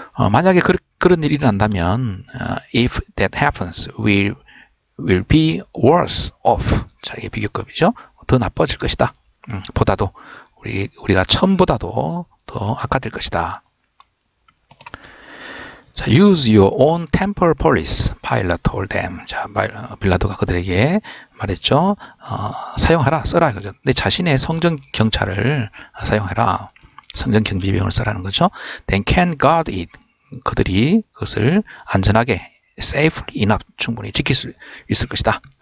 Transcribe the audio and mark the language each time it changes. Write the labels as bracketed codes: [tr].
[ko] 만약에 그런 일이 일어난다면, [en] if that happens, we'll be worse off. [ko] 자, 이게 비교급이죠? 더 나빠질 것이다. 보다도, 우리가 처음보다도 더 악화될 것이다. [en] 자, use your own temple police, Pilate told them. [ko] 자, 빌라도가 그들에게 말했죠? 사용하라, 써라. 그죠? 내 자신의 성전 경찰을 사용해라. 성전 경비병을 써라는 거죠? [en] Then can guard it. [ko] 그들이 그것을 안전하게, safely enough, 충분히 지킬 수 있을 것이다.